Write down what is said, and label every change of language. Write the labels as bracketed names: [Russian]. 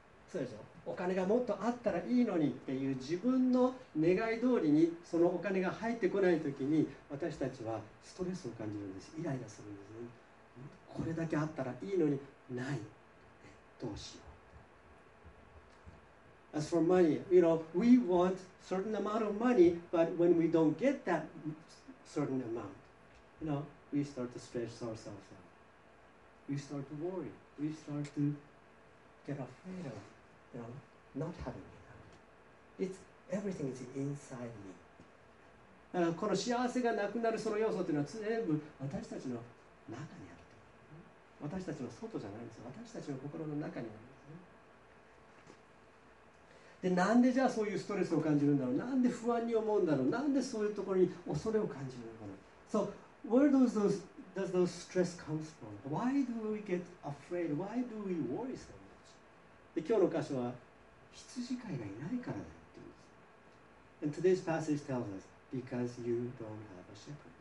[Japanese] そうでしょ? お金がもっとあったらいいのにっていう自分の願い通りにそのお金が入ってこないときに、私たちはストレスを感じるんです。イライラするんです、ね、これだけあったらいいのにない、どうしよう。 [English] As for money, you know, we want certain amount of money, but when we don't get that certain amount, you know, we start to stress ourselves out. We start to worry. We start to get afraid ofYou know, not having enough. It's everything is inside me. [Japanese] この幸せがなくなるその要素というのは全部私たちの中にあるという。私たちの外じゃないんです。私たちの心の中にあるんですね。で、なんでじゃあそういうストレスを感じるんだろう、なんで不安に思うんだろう、なんでそういうところに恐れを感じるのかな。 [English] So where does those stress come from? Why do we get afraid? Why do we worry so much? [Japanese] で、今日の箇所は羊飼いがいないからだって言うんです。 [English] And today's passage tells us because you don't have a shepherd.